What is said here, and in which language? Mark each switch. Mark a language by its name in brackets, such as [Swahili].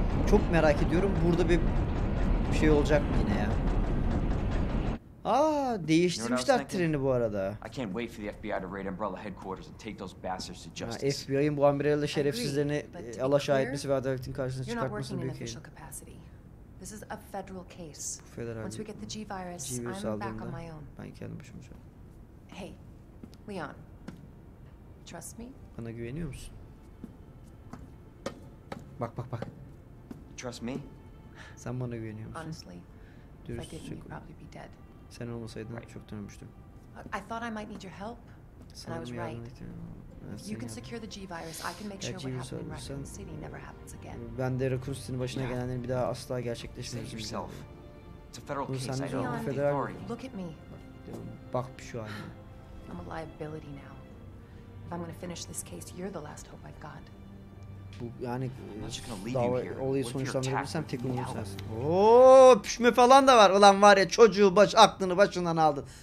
[Turkish] Çok merak ediyorum. Burada bir şey olacak mı yine ya? Aa, değiştirmişler treni bu arada. [English] I can't wait for the FBI to raid Umbrella headquarters and take those bastards to justice. [Turkish] Ha, FBI'ın bu Umbrella şerefsizlerini alaşağı etmesi ve adaletin karşısına çıkartması büyük bir şey. [English] This is a federal case. Once we get the G virus, I'm back on my own. [Turkish] Ben kendim başıma çıkarım. [English] Hey, Leon. Trust me? [Turkish] Bana güveniyor musun? Bak bak bak. [English] Trust me? [Turkish] Sen bana güveniyor musun? [English] Honestly, [Turkish] dürüstlük. [English] I'd probably be dead. [Turkish] Sen olmasaydın çoktan ölmüştüm. [English] I thought I might need your help. And I was right. You can secure the G virus. I can make sure what happened in Raccoon City never happens again. [Turkish] Ben de Raccoon City'nin başına gelenlerin bir daha asla gerçekleşmeyeceğini biliyorum. [English] It's a federal case. I don't have the authority. Look at me. [Turkish] Bak şu an. [English] I'm a liability now. If I'm gonna finish this case, you're the last hope I've got. [Turkish] Bu yani daha olayı sonuçlandırabilirsem tek umudum sensin. Ooo, püşme falan da var. Ulan var ya, çocuğu baş aklını başından aldın.